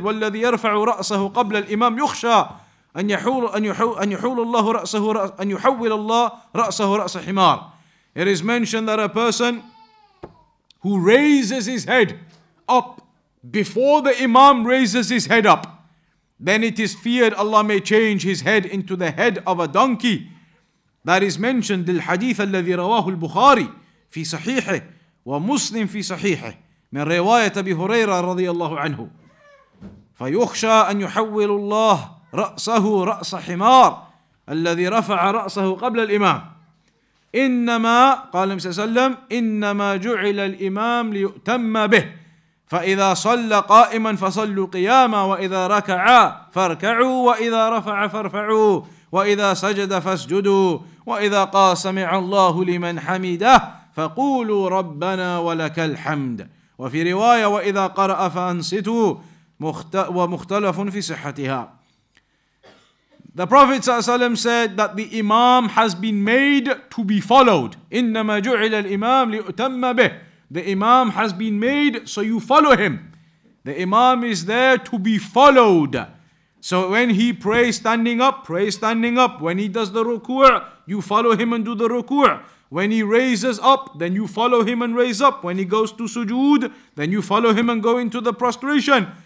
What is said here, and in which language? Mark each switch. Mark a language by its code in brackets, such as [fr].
[ar] وَالَّذِي يَرْفَعُ رَأْسَهُ قَبْلَ الْإِمَامِ يُخْشَى أَنْ يُحَوِّلَ اللَّهُ رَأْسَهُ رَأْسَ حِمَارِ. [en] It is mentioned that a person who raises his head up before the imam raises his head up, then it is feared Allah may change his head into the head of a donkey. That is mentioned in the hadith [ar] الذي رواه البخاري في صحيحه ومسلم في صحيحه من رواية أبي هريرة رضي الله عنه. فيخشى أن يحول الله رأسه رأس حمار الذي رفع رأسه قبل الإمام. إنما قال النبي صلى الله عليه وسلم إنما جعل الإمام ليؤتم به. فإذا صلى قائما فصلوا قياما، وإذا ركع فاركعوا، وإذا رفع فارفعوا، وإذا سجد فاسجدوا، وإذا قال سمع الله لمن حمده فقولوا ربنا ولك الحمد. وفي رواية وإذا قرأ فأنصتوا ومختلف في صحتها. [en] The Prophet [ar] صلى الله عليه وسلم [en] said that the imam has been made to be followed. [ar] إنما جعل الإمام ليؤتم به. [en] The imam has been made so you follow him. The imam is there to be followed. So when he prays standing up, pray standing up. When he does the ruku', you follow him and do the ruku'. When he raises up, then you follow him and raise up. When he goes to sujood, then you follow him and go into the prostration.